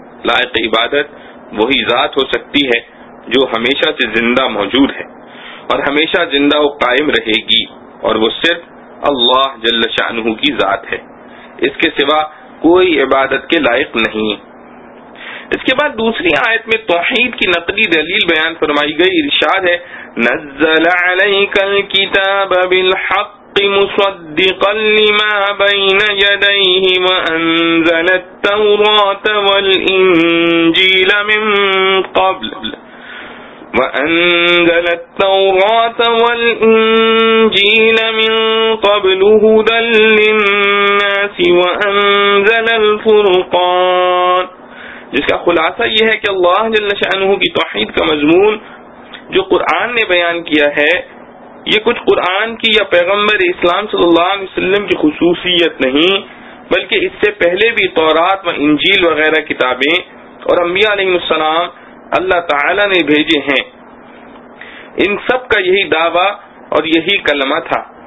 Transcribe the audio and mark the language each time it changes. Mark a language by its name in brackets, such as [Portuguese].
[Urdu] لائق عبادت وہی ذات ہو سکتی ہے جو ہمیشہ سے زندہ موجود ہے اور ہمیشہ زندہ و قائم رہے گی, اور وہ صرف اللہ جل شانہ کی ذات ہے, اس کے سوا کوئی عبادت کے لائق نہیں. اس کے بعد دوسری آیت میں توحید کی نقلی دلیل بیان فرمائی گئی. ارشاد ہے, [Arabic] نزل علیک الکتاب بالحق مصدقا لما بین یدیہ وانزل التوراۃ والانجیل من قبل وأنزل التوراة والإنجيل من قبل هدى للناس وأنزل الفرقان. [Urdu] جس کا خلاصہ یہ ہے کہ اللہ جل شأنہ کی توحید کا مضمون جو قرآن نے بیان کیا ہے, یہ کچھ قرآن کی یا پیغمبر اسلام صلی اللہ علیہ وسلم کی خصوصیت نہیں, بلکہ اس سے پہلے بھی تورات و انجیل وغیرہ کتابیں اور انبیاء علیہ السلام اللہ تعالیٰ نے بھیجے ہیں, ان سب کا یہی دعویٰ اور یہی کلمہ تھا.